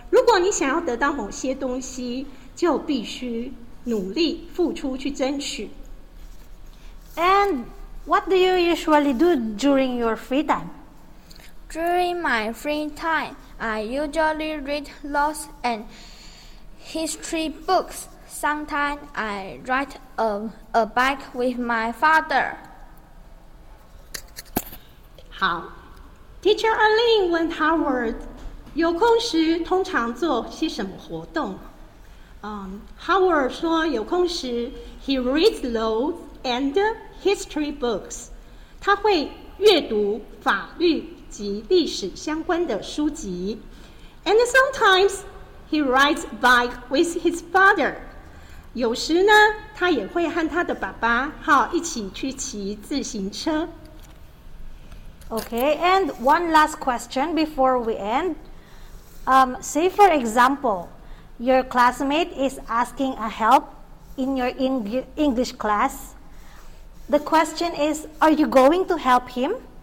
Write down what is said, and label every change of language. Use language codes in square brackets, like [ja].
[zh] 果你想要得到某些东西，就必须努力付出去争取。 [en] And what do you usually do during your free time? During my free time, I usually read lots and history books. Sometimes I ride a bike with my father. [zh] 好 ，Teacher Arlene 问 Howard， 有空时通常做些什么活动？ [en] Howard [zh] 说有空时 [en] ，he reads lots and history books. [zh] 他会阅读法律及历史相关的书籍。 [en] And sometimes he rides a bike with his father. [zh] 有时呢，他也会和他的爸爸好一起去骑自行车。 [en] Okay, and one last question before we end. Say for example, your classmate is asking a help in your English class. The question is, are you going to help him?